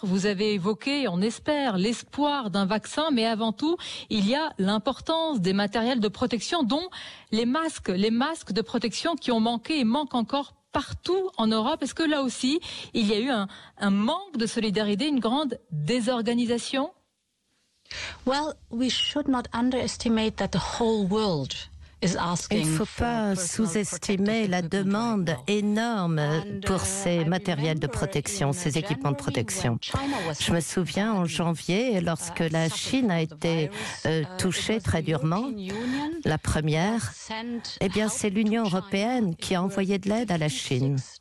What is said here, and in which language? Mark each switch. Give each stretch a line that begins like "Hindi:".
French: Vous avez évoqué, on espère, l'espoir d'un vaccin, mais avant tout, il y a l'importance des matériels de protection, dont les masques de protection qui ont manqué et manquent encore partout en Europe. Est-ce que là aussi, il y a eu un manque de solidarité, une grande désorganisation?
English: Well, we should not underestimate that the whole world...
French: Il ne faut pas sous-estimer la demande énorme pour ces matériels de protection, ces équipements de protection. Je me souviens en janvier, lorsque la Chine a été touchée très durement, la première, eh bien c'est l'Union européenne qui a envoyé de l'aide à la Chine.